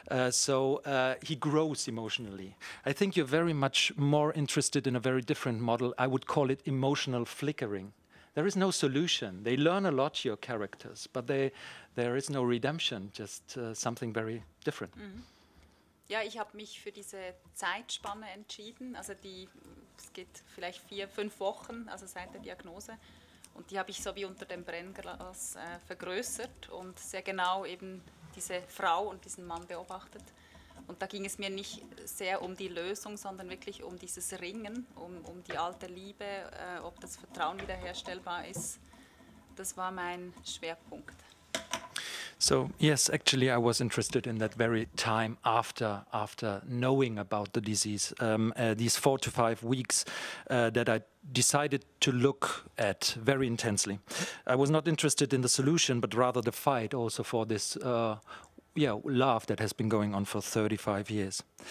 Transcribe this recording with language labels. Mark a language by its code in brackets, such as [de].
[en] So he grows emotionally. I think you're very much more interested in a very different model. I would call it emotional flickering. There is no solution. They learn a lot, your characters, but there is no redemption, just something very different. Mm-hmm. [de] Ja, ich habe mich für diese Zeitspanne entschieden, also die, es geht vielleicht 4-5 Wochen, also seit der Diagnose, und die habe ich so wie unter dem Brennglas vergrößert und sehr genau eben diese Frau und diesen Mann beobachtet. Und da ging es mir nicht sehr um die Lösung, sondern wirklich um dieses Ringen, um die alte Liebe, ob das Vertrauen wiederherstellbar ist. Das war mein Schwerpunkt. [en] So, yes, actually, I was interested in that very time after knowing about the disease, these 4 to 5 weeks that I decided to look at very intensely. I was not interested in the solution, but rather the fight also for this love that has been going on for 35 years.